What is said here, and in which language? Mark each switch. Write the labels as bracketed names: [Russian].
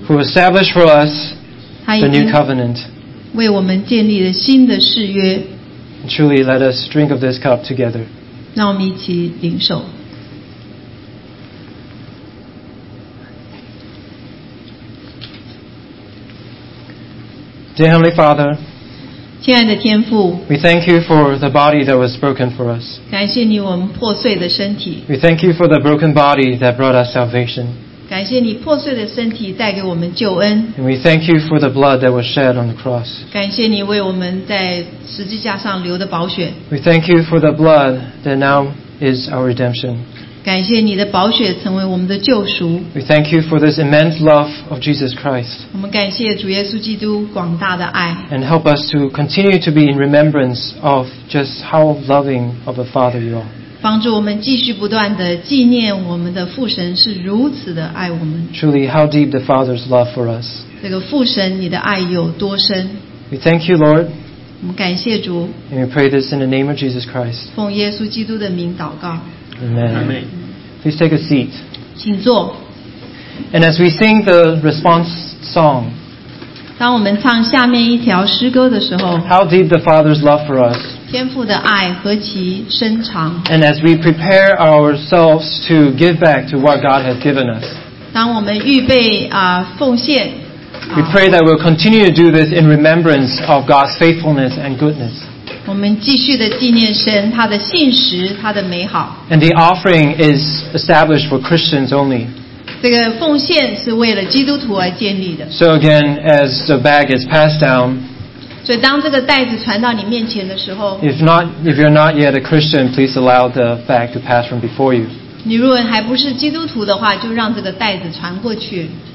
[English] Who established for us the new covenant. [Chinese] 为我们建立了新的誓约。 [English] Truly, let us drink of this cup together. [Chinese] 那我们一起领受。 [English] Dear Heavenly Father, [Chinese] 亲爱的天父, [English] we thank you for the body that was broken for us. [Chinese] 感谢你我们破碎的身体。 [English] We thank you for the broken body that brought us salvation. [Chinese] 感谢你破碎的身体带给我们救恩。 [English] And we thank you for the blood that was shed on the cross. [Chinese] 感谢你为我们在十字架上流的宝血。 [English] We thank you for the blood that now is our redemption. [Chinese] 感谢你的宝血成为我们的救赎。 [English] We thank you for this immense love of Jesus Christ. [Chinese] 我们感谢主耶稣基督广大的爱。 [English] And help us to continue to be in remembrance of just how loving of a Father you are. [Chinese] 帮助我们继续不断地纪念我们的父神是如此的爱我们。 [English] Truly, how deep the Father's love for us. [Chinese] 这个父神你的爱有多深。 [English] We thank you, Lord. [Chinese] 我们感谢主。 [English] And we pray this in the name of Jesus Christ. [Chinese] 奉耶稣基督的名祷告。 [English] Amen. Please take a seat. [Chinese] 请坐。 [English] And as we sing the response song, [Chinese] 当我们唱下面一条诗歌的时候， [English] How deep the Father's love for us. [Chinese] 天父的爱何其深长。 [English] And as we prepare ourselves to give back to what God has given us, [Chinese] 当我们预备奉献。 [English] We pray that we'll continue to do this in remembrance of God's faithfulness and goodness. [Chinese] 我们继续地纪念神他的信实他的美好 [English] And the offering is established for Christians only [Chinese] 这个奉献是为了基督徒而建立的。 [English] So again, as the bag is passed down, [Chinese] 所以当这个袋子传到你面前的时候， [English] if you're not yet a Christian, please allow the bag to pass from before you. [Chinese] 你如果还不是基督徒的话，就让这个袋子传过去。